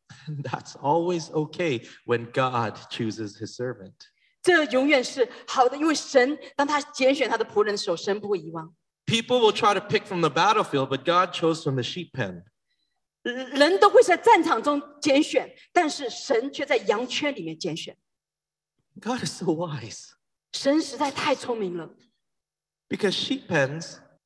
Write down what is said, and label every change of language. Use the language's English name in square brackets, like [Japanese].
[English] That's always okay when God chooses his servant. [Chinese] 这永远是好的,因为神当他拣选他的仆人的时候,神不会遗忘。 [English] People will try to pick from the battlefield, but God chose from the sheep pen. [Chinese] 人都会在战场中拣选,但是神却在羊圈里面拣选。 [English] God is so wise. [Chinese] 神实在太聪明了。 [English] Because sheep pens,